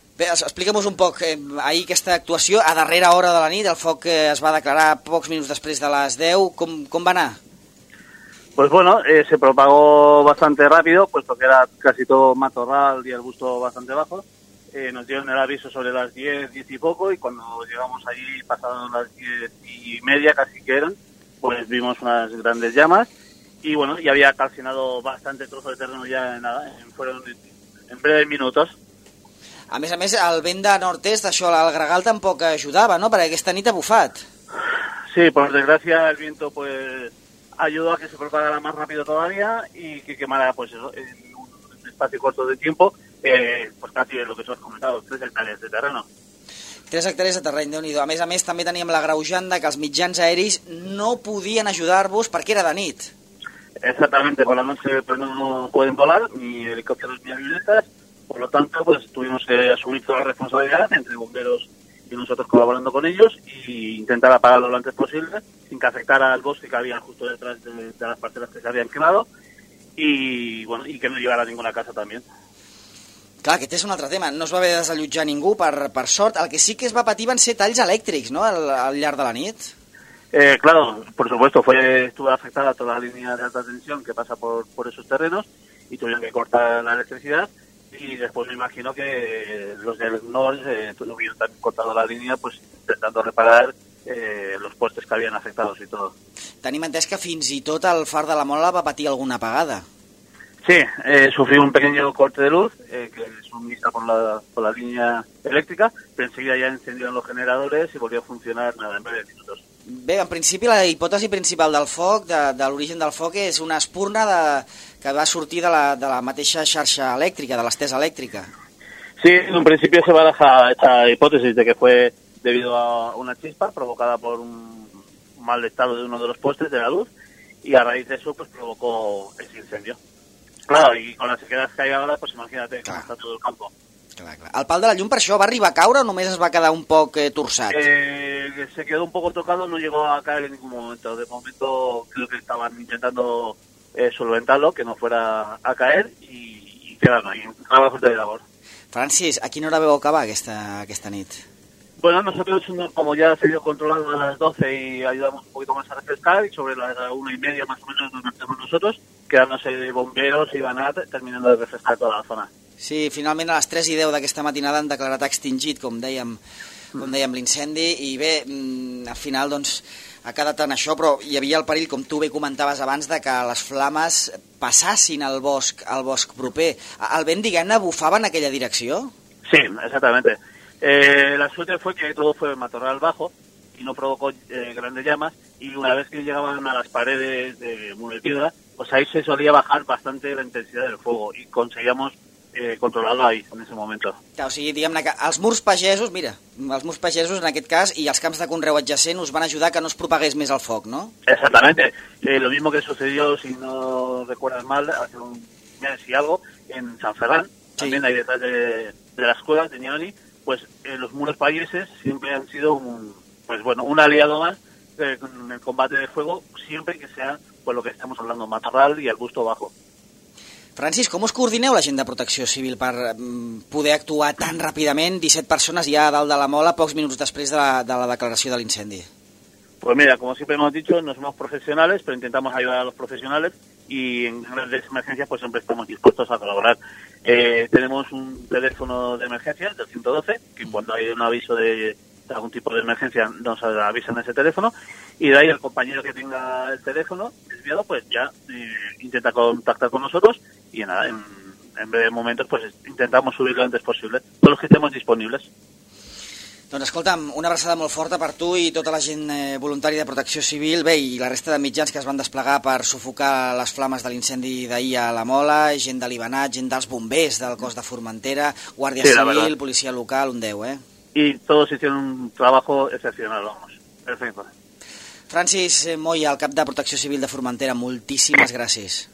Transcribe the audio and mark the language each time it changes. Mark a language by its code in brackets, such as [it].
[ca] Bé, explica'm-nos un poc, ahir aquesta actuació, a darrera hora de la nit, el foc es va declarar pocs minuts després de les 10, com va anar? [es] Pues bueno, se propagó bastante rápido, puesto que era casi todo matorral y arbusto bastante bajo. Nos dieron el aviso sobre las 10 y poco, y cuando llegamos allí, pasaron las 10:30 casi que eran, pues vimos unas grandes llamas, y bueno, ya había calcinado bastante trozo de terreno ya en breves minutos. [ca] A més, el vent de nord-est, això, el gregal tampoc ajudava, no?, perquè aquesta nit ha bufat. [es] Sí, por desgracia el viento pues ayudó a que se propagara más rápido todavía y que quemara pues eso, en un espacio corto de tiempo, pues casi lo que tú has comentado, 3 hectàrees de terreno. [ca] 3 hectàrees de terreny, déu-n'hi-do. A més a més, també teníem la greujanda que els mitjans aeris no podien ajudar-vos perquè era de nit. [es] Exactamente, por la noche pues no pueden volar, ni helicópteros ni avionetas, por lo tanto pues tuvimos que asumir toda la responsabilidad entre bomberos y nosotros colaborando con ellos e intentar apagarlo lo antes posible sin que afectara al bosque que había justo detrás de las parcelas que se habían quemado y bueno, y que no llegara a ninguna casa también. [ca] Clar, aquest és un altre tema. No es va haver de desallotjar ningú, per sort. El que sí que es va patir van ser talls elèctrics, no?, al llarg de la nit. [es] Claro, por supuesto, estuvo afectada toda la línea de alta tensión que pasa por esos terrenos y tuvieron que cortar la electricidad. Y después me imagino que los del norte hubieran también cortado la línea, pues intentando reparar los postes que habían afectado y todo. [ca] Tenim entès que fins i tot el far de la Mola va patir alguna apagada. [es] Sí, sufrí un pequeño corte de luz que suministra por la línea eléctrica, pero enseguida ya encendieron los generadores y volvió a funcionar en breve minutos. [ca] Bé, en principi la hipòtesi principal del foc, de l'origen del foc, és una espurna que va sortir de la mateixa xarxa elèctrica, de l'estesa elèctrica. [es] Sí, [ca] en principi se va deixar aquesta hipòtesi de [es] que fue debido a una chispa provocada por un mal estado de uno de los postes de la luz y a raíz de eso pues provocó ese incendio. Claro, y con las sequedades que hay ahora, pues imagínate cómo está todo el campo. [ca] Clar, clar. El pal de la llum, per això, va arribar a caure o només es va quedar un poc torçat? [es] Se quedó un poco tocado, no llegó a caer en ningún momento. De momento creo que estaban intentando solventarlo, que no fuera a caer, y quedaron ahí, un trabajo de labor. [ca] Francis, ¿a quina hora veu acabar aquesta nit? [es] Bueno, nosotros, como ya se vio controlado a las 12 y ayudamos un poquito más a refrescar, y sobre las 1:30 más o menos nos metemos nosotros, quedándose bomberos y banat, terminando de refrescar toda la zona. [ca] Sí, finalment a les 3:10 d'aquesta matinada han declarat extingit, com dèiem, l'incendi, i bé, al final doncs ha quedat en això, però hi havia el perill, com tu bé comentaves abans, de que les flames passassin al bosc proper. El vent, diguem-ne, bufava en aquella direcció? [es] Sí, exactamente. La suerte fue que todo fue matorral bajo y no provocó grandes llamas, y una vez que llegaban a las paredes de muro de piedra, pues ahí se solía bajar bastante la intensidad del fuego y conseguíamos controlarlo ahí, en ese momento. [ca] Clar, o sigui, diguem-ne que els murs pagesos, en aquest cas, i els camps de conreu adjacent us van ajudar que no es propagués més el foc, no? [es] Exactamente. Lo mismo que sucedió, si no recuerdas mal, hace un mes y algo, en San Ferran, sí. También ahí detrás de las cuevas de Ñoni, pues los muros pagueses siempre han sido un aliado más en el combate de fuego, siempre que sea, pues lo que estamos hablando, matorral y arbusto bajo. [ca] Francis, com us coordineu la gent de Protecció Civil per poder actuar tan ràpidament, 17 persones ja a dalt de la Mola, pocs minuts després de la declaració de l'incendi? [es] Pues mira, como siempre hemos dicho, no somos profesionales, pero intentamos ayudar a los profesionales y en grandes emergencias pues siempre estamos dispuestos a colaborar. Tenemos un teléfono de emergencia del 112, que cuando hay un aviso de algún tipo de emergencia nos avisan ese teléfono, y de ahí el compañero que tenga el teléfono desviado pues ya intenta contactar con nosotros. Y nada, en breve momentos pues intentamos subir lo antes posible, todos los que estemos disponibles. [ca] Doncs escolta'm, una abraçada molt forta per tu i tota la gent voluntària de Protecció Civil, bé, i la resta de mitjans que es van desplegar per sufocar les flames de l'incendi d'ahir a la Mola, gent de l'Ibanat, gent dels bombers del cos de Formentera, Guàrdia sí, Civil, policia local, un 10, eh? [es] Y todos hicieron un trabajo excepcional, vamos. Perfecto. [ca] Francis Moya, el cap de Protecció Civil de Formentera, moltíssimes gràcies.